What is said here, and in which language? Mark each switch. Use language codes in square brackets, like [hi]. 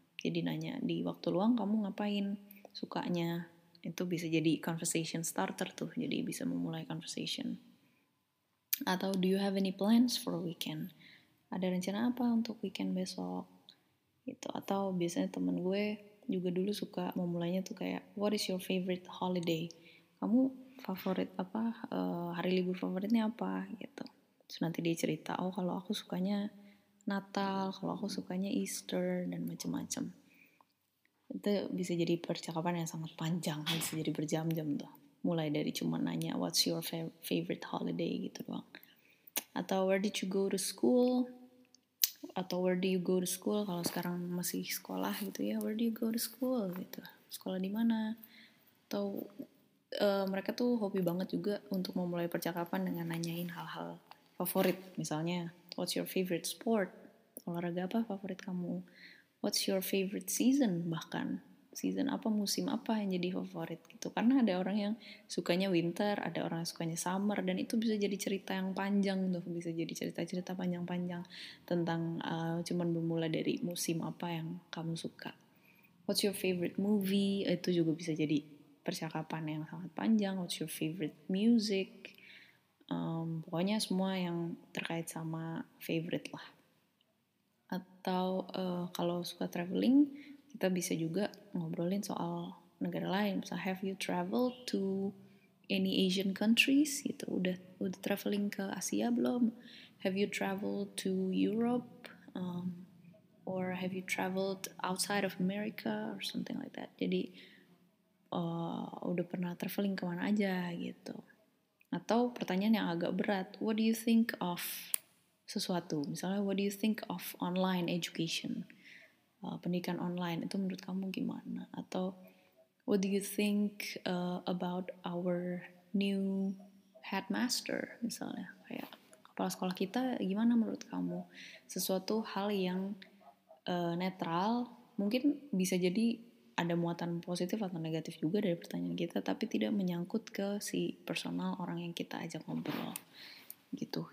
[id] Jadi nanya, di waktu luang kamu ngapain sukanya? Itu bisa jadi conversation starter tuh, jadi bisa memulai conversation. [en] Atau, do you have any plans for weekend? [id] Ada rencana apa untuk weekend besok? Gitu. Atau biasanya temen gue juga dulu suka memulainya tuh kayak, [en] what is your favorite holiday? [id] Kamu favorit apa, hari libur favoritnya apa? Gitu. Terus nanti dia cerita, oh kalau aku sukanya Natal, kalau aku sukanya Easter, dan macam-macam. Itu bisa jadi percakapan yang sangat panjang, bisa jadi berjam-jam tuh. Mulai dari cuma nanya, [en] what's your favorite holiday [id] gitu doang. [en] Atau, where did you go to school? Atau, where do you go to school? [id] Kalau sekarang masih sekolah gitu ya, [en] where do you go to school? [id] Gitu. Sekolah di mana? Atau, mereka tuh hobi banget juga untuk memulai percakapan dengan nanyain hal-hal favorit. [en] Misalnya, what's your favorite sport? [id] Olahraga apa favorit kamu? [en] What's your favorite season? [id] Bahkan, season apa, musim apa yang jadi favorit gitu. Karena ada orang yang sukanya winter, ada orang yang sukanya summer, dan itu bisa jadi cerita yang panjang tuh. Bisa jadi cerita-cerita panjang-panjang tentang cuman bermula dari musim apa yang kamu suka. [en] What's your favorite movie? [id] Itu juga bisa jadi percakapan yang sangat panjang. [en] What's your favorite music? [id] Pokoknya semua yang terkait sama favorite lah. Atau kalau suka traveling, kita bisa juga ngobrolin soal negara lain. [en] So, have you traveled to any Asian countries? Gitu. [id] Udah traveling ke Asia belum? [en] Have you traveled to Europe? Or have you traveled outside of America? Or something like that. [id] Jadi, udah pernah traveling kemana aja gitu. Atau pertanyaan yang agak berat. [en] What do you think of sesuatu? Misalnya, what do you think of online education? [id] Pendidikan online, itu menurut kamu gimana? [en] Atau, what do you think about our new headmaster? [id] Misalnya, kayak kepala sekolah kita, gimana menurut kamu? Sesuatu hal yang netral, mungkin bisa jadi ada muatan positif atau negatif juga dari pertanyaan kita, tapi tidak menyangkut ke si personal orang yang kita ajak ngobrol. Gitu.